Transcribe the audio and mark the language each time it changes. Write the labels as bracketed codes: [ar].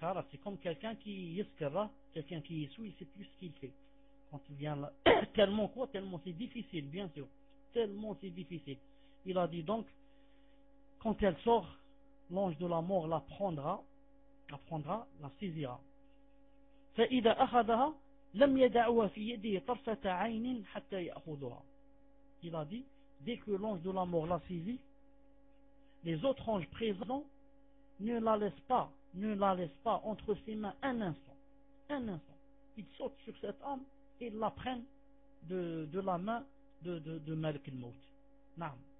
[fr] C'est comme quelqu'un qui yiskara, quelqu'un qui yissoui, il sait plus ce qu'il fait. Quand il vient là, tellement quoi, tellement c'est difficile, bien sûr. Tellement c'est difficile. Il a dit donc, quand elle sort, l'ange de la mort la prendra, la saisira. [ar] فإذا أخذها لم يدعها في يده طرفة عين حتى يأخذها. [fr] Il a dit, dès que l'ange de la mort l'a saisi, les autres anges présents ne la laissent pas entre ses mains un instant. Ils sautent sur cette âme et la prennent de la main de Malik al-Maut. Non.